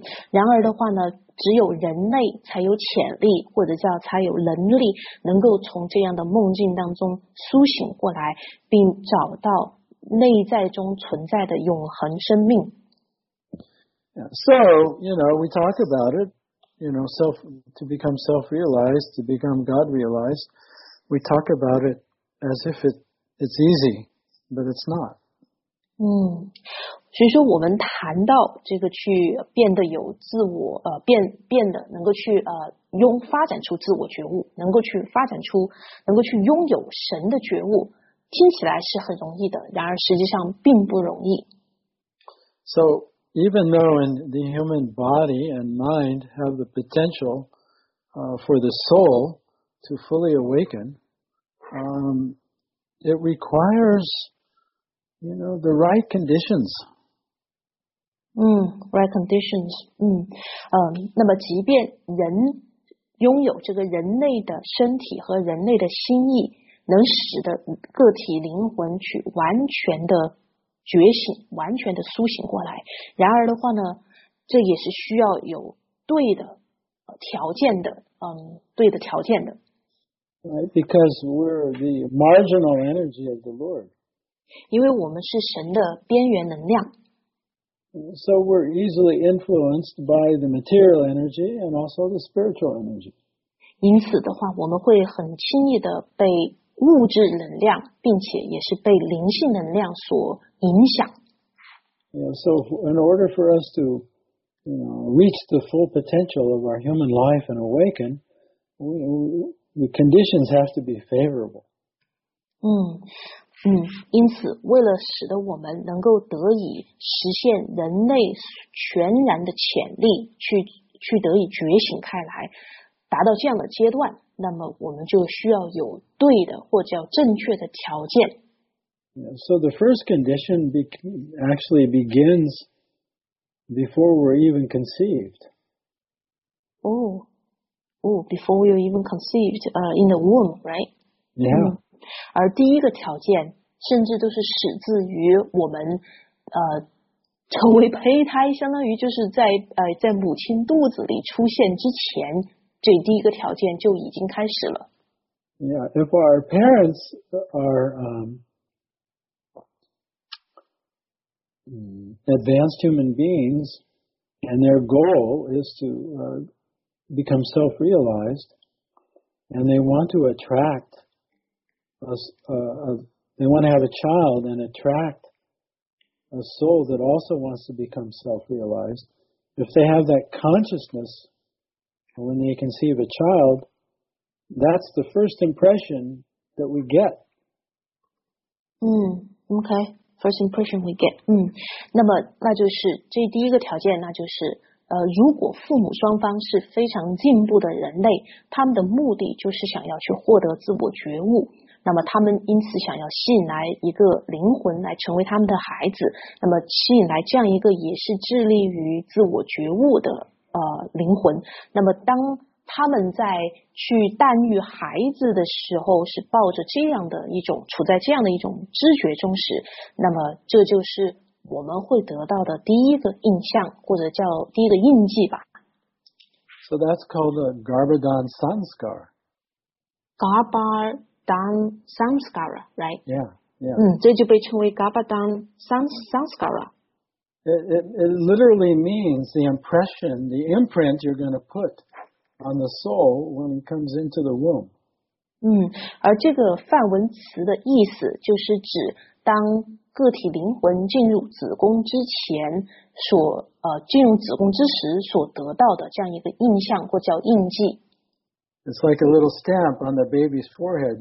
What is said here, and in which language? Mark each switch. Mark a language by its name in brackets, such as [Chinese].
[Chinese] 然而的话呢，只有人类才有潜力，或者叫才有能力，能够从这样的梦境当中苏醒过来，并找到内在中存在的永恒生命。 [English] So, you know, we talk about it, you know, to become self-realized, to become God-realized, we talk about it as if it's easy, but it's not. [Chinese] 所以说我们谈到这个去变得有自我，变得能够去发展出自我觉悟，能够去拥有神的觉悟，听起来是很容易的，然而实际上并不容易。 [English] So,even though in the human body and mind have the potential for the soul to fully awaken, it requires, you know, the right conditions. Right conditions. [Chinese] 那么即便人拥有这个人类的身体和人类的心意，能使得个体灵魂去完全的觉醒，完全的苏醒过来。然而的话呢，这也是需要有对的条件的，对的条件的。 [English] Right, because we're the marginal energy of the Lord. [Chinese] 因为我们是神的边缘能量。 [English] So we're easily influenced by the material energy and also the spiritual energy. [Chinese] 因此的话，我们会很轻易的被物质能量，并且也是被灵性能量所影响。 [English] Yeah, so in order for us to, you know, reach the full potential of our human life and awaken, the conditions have to be favorable. [Chinese] 因此为了使得我们能够得以实现人类全然的潜力，去得以觉醒开来，达到这样的阶段，那么我们就需要有对的或叫正确的条件。 [English] So the first condition actually begins before we're even conceived. Before we're even conceived, in the womb, right? Yeah. [Chinese] 而第一个条件甚至都是始自于我们成为胚胎，相当于就是在母亲肚子里出现之前，这第一个条件就已经开始了。 [English] Yeah, if our parents are advanced human beings and their goal is to become self-realized and they want to attract us, they want to have a child and attract a soul that also wants to become self-realized, if they have that consciousness when they conceive a child, that's the first impression that we get. Okay, first impression we get. [Chinese] 那就是这第一个条件，那就是如果父母双方是非常进步的人类，他们的目的就是想要去获得自我觉悟，那么他们因此想要吸引来一个灵魂来成为他们的孩子，那么吸引来这样一个也是致力于自我觉悟的灵魂，那么当他们在去诞育孩子的时候是抱着这样的一种处在这样的一种知觉中时，那么这就是我们会得到的第一个印象，或者叫第一个印记吧。 [English] So that's called a Garbhadhan Sanskar. Garbhadhan Sanskar, right? Yeah, yeah. [Chinese] 这就被称为 Garbhadhan Sanskar. [English] It literally means the impression, the imprint you're going to put on the soul when it comes into the womb. [Chinese] 而这个梵文词的意思就是指当个体灵魂进入子宫之前所进入子宫之时所得到的这样一个印象或叫印记。 [English] It's like a little stamp on the baby's forehead.